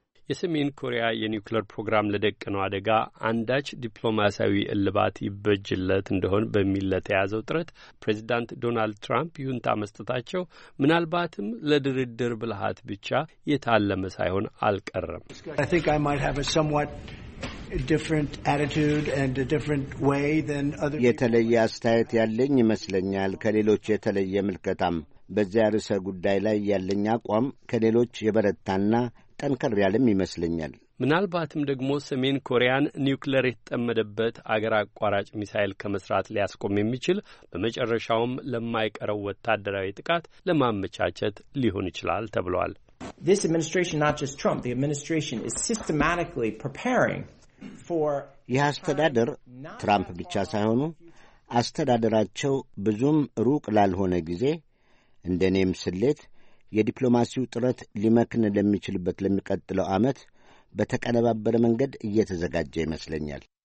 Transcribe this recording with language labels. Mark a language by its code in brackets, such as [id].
[am] የሰሜን ኮሪያ የኒውክሌር ፕሮግራም ለደቀነው አደጋ አንዳች ዲፕሎማሲያዊ እልባት ይበጅለት እንደሆን በሚል ለተያዘው ጥረት ፕሬዚዳንት ዶናልድ ትራምፕ ይሁንታ መስጠታቸው ምናልባትም ለድርድር ብልሃት ብቻ የታለመ ሳይሆን አልቀረም። [en] I think I might have a somewhat different attitude and a different way than other [am] የተለየ አስተያየት ያለኝ ይመስለኛል ከሌሎች የተለየ ምልከታም። በዚያ ርዕሰ ጉዳይ ላይ ያለኝ አቋም ከሌሎች የበረታና ጠንከር ያለም ይመስለኛል። ምናልባትም ደግሞ ሰሜን ኮሪያን ኒውክሌር የተጠመደበት አገር አቋራጭ ሚሳይል ከመስራት ሊያስቆም የሚችል በመጨረሻውም ለማይቀረው ወታደራዊ ጥቃት ለማመቻቸት ሊሆን ይችላል ተብሏል። [en] This administration, not just Trump, the administration is systematically preparing for [am] የአስተዳደር ትራምፕ ብቻ ሳይሆኑ አስተዳደራቸው ብዙም ሩቅ ላልሆነ ጊዜ እንደኔም ስለት የዲፕሎማሲው ጥረት ሊመክን ለሚችልበት ለሚቀጥለው ዓመት በተቀነባበረ መንገድ እየተዘጋጀ ይመስለኛል።